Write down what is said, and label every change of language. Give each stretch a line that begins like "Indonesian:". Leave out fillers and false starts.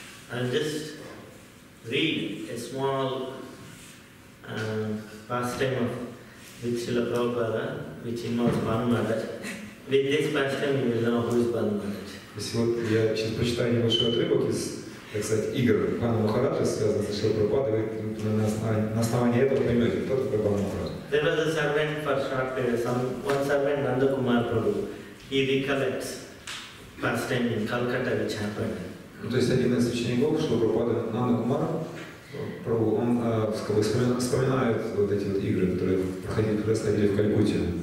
English: Okay. I'll just read a small pastime of Srila Prabhupada, which involves Bhanu Maharaj. With this pastime, you will know who is Bhanu Maharaj.
Russian: Если вот я сейчас прочитаю небольшой отрывок из, так сказать, игр Бхану Махараджа, связанных с Шрила Прабхупадой, вы на основании этого поймете, кто такой Бхану Махараджа.
English: There was a servant for short period, one servant, Nanda Kumar Prabhu. He recollects past time in Calcutta, which happened.
Russian: Ну, то есть один из учеников Шрила Прабхупады, Нанда Кумар Прабху, он вспоминает вот эти вот игры, которые происходили в Калькутте.